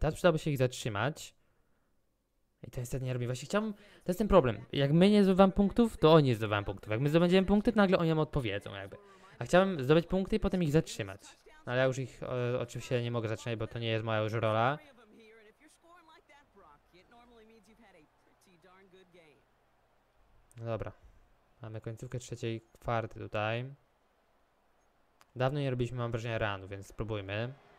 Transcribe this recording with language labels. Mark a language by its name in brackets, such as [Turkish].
[Polish] Teraz przydałoby się ich zatrzymać. I to niestety nie robi. Właśnie chciałbym, to jest ten problem. Jak my nie zdobywamy punktów, to oni zdobywają punktów. Jak my zdobędziemy punkty, to nagle oni nam odpowiedzą jakby. A chciałbym zdobyć punkty i potem ich zatrzymać. No ale ja już ich oczywiście nie mogę zatrzymać, bo to nie jest moja już rola. [English] Unlike that, Brock, it normally means you've had a pretty darn good game. [Polish] Dobra. Mamy końcówkę trzeciej kwarty tutaj. Dawno nie robiliśmy, mam wrażenie, runu, więc spróbujmy.